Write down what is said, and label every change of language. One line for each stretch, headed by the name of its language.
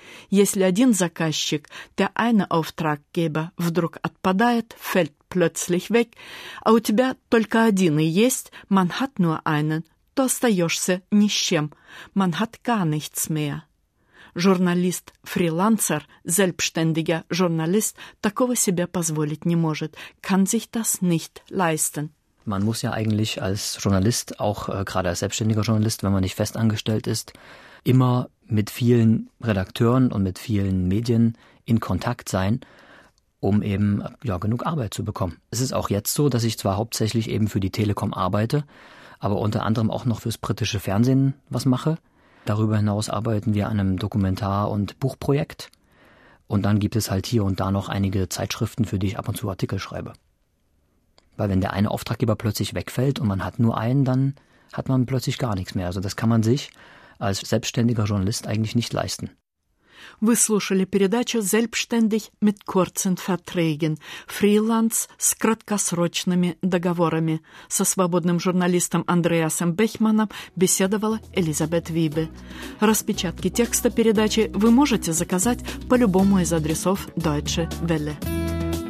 Russian: Если один заказчик,
German: der eine Auftraggeber,
Russian: вдруг отпадает,
German: fällt plötzlich weg,
Russian: а у тебя только один и есть,
German: man hat nur einen,
Russian: то остаешься ни с чем,
German: man hat gar nichts mehr.
Russian: Журналист, фрилансер,
German: selbstständiger Journalist,
Russian: такого себе позволить не может.
German: Kann sich das nicht leisten. Man muss ja eigentlich als Journalist, auch gerade als selbstständiger Journalist, wenn man nicht festangestellt ist, immer mit vielen Redakteuren und mit vielen Medien in Kontakt sein, um eben ja, genug Arbeit zu bekommen. Es ist auch jetzt so, dass ich zwar hauptsächlich eben für die Telekom arbeite, aber unter anderem auch noch fürs britische Fernsehen was mache. Darüber hinaus arbeiten wir an einem Dokumentar- und Buchprojekt. Und dann gibt es halt hier und da noch einige Zeitschriften, für die ich ab und zu Artikel schreibe. Weil wenn der eine Auftraggeber plötzlich wegfällt und man hat nur einen, dann hat man plötzlich gar nichts mehr. Also das kann man sich als selbstständiger Journalist eigentlich nicht leisten.
Russian: Вы слушали передачу «Selbstständig mit kurzen Verträgen» – «Фриланс с краткосрочными договорами». Со свободным журналистом Андреасом Бехманом беседовала Элизабет Вибе. Распечатки текста передачи вы можете заказать по любому из адресов Deutsche Welle.